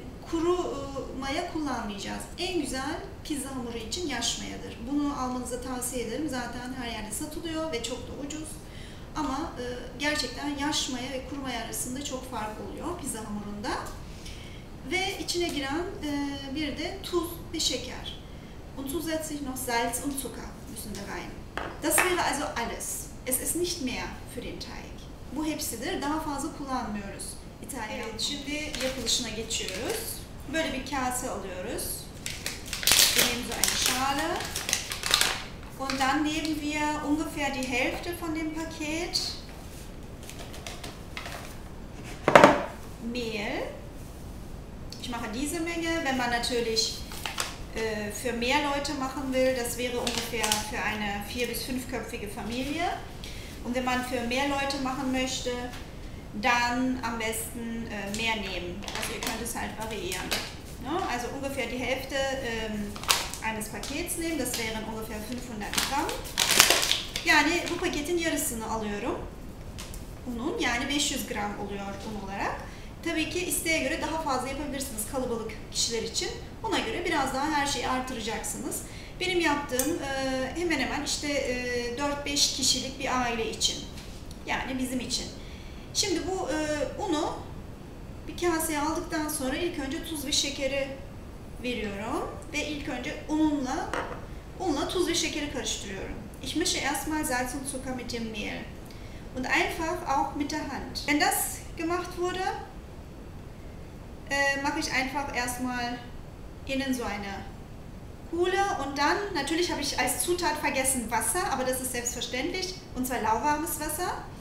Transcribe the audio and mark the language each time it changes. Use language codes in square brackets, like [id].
[tr] Kuru maya kullanmayacağız. En güzel pizza hamuru için yaş mayadır. Bunu almanızı tavsiye ederim. Zaten her yerde satılıyor ve çok da ucuz. Ama gerçekten yaş maya ve kuru maya arasında çok fark oluyor pizza hamurunda. Ve içine giren bir de tuz ve şeker. [de] Und zusätzlich noch Salz und Zucker müssen da rein. Das wäre also alles. Es ist nicht mehr für den Teig. [tr] Bu hepsidir. Daha fazla kullanmıyoruz İtalyan. Evet, şimdi yapılışına geçiyoruz. Böyle bir kase alıyoruz. Benim de aynı şale. [de] Und dann nehmen wir ungefähr die Hälfte von dem Paket Mehl. Ich mache diese Menge, wenn man natürlich für mehr Leute machen will, das wäre ungefähr für eine vier- bis fünfköpfige Familie. Und wenn man für mehr Leute machen möchte, dann am besten mehr nehmen. Also ihr könnt es halt variieren. Ne? Also ungefähr die Hälfte eines Pakets nehmen, das wären ungefähr 500 Gramm. [tr] Yani bu paketin yarısını alıyorum. Unun, yani 500 gram oluyor un olarak. Tabii ki isteğe göre daha fazla yapabilirsiniz kalabalık kişiler için. Ona göre biraz daha her şeyi artıracaksınız. Benim yaptığım hemen hemen işte 4-5 kişilik bir aile için. Yani bizim için. Şimdi bu unu bir kaseye aldıktan sonra ilk önce tuz ve şekeri veriyorum ve ilk önce unla tuz ve şekeri karıştırıyorum. [de] Ich mische erstmal Salz und Zucker mit dem Mehl und einfach auch mit der Hand. Wenn das gemacht wurde, mache ich einfach erstmal innen so eine Kuhle und dann, natürlich habe ich als Zutat vergessen Wasser, aber das ist selbstverständlich, und zwar lauwarmes Wasser.